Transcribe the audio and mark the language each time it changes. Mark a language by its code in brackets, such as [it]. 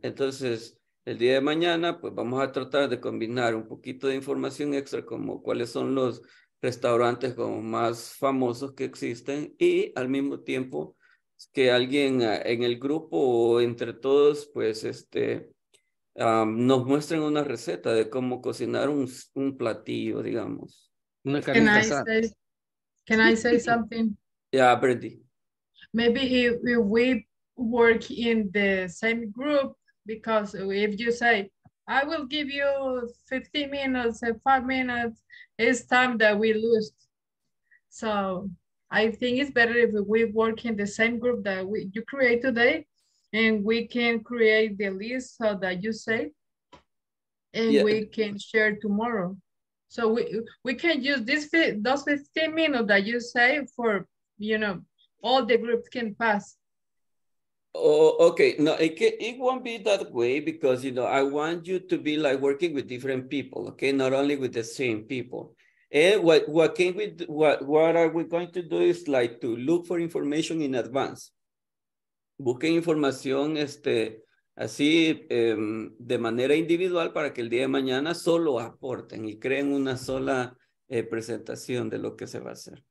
[es] Entonces, el día de mañana, pues vamos a tratar de combinar un poquito de información extra como cuáles son los restaurantes como más famosos que existen y al mismo tiempo que alguien en el grupo o entre todos, pues nos muestren una receta de cómo cocinar un platillo, digamos. Una carne [en] asada. Can I say something? Yeah, Brandy. Maybe if we work in the same group, because if you say, I will give you 15 minutes, 5 minutes, it's time that we lose. So I think it's better if we work in the same group that you create today, and we can create the list so that you say, and yeah. We can share tomorrow. So we can use those 15 minutes that you say for, you know, all the groups can pass. Oh, okay. No, it won't be that way because, you know, I want you to be like working with different people, okay? Not only with the same people. And what are we going to do is like to look for information in advance. [es] Busque información así de manera individual para que el día de mañana solo aporten y creen una sola presentación de lo que se va a hacer.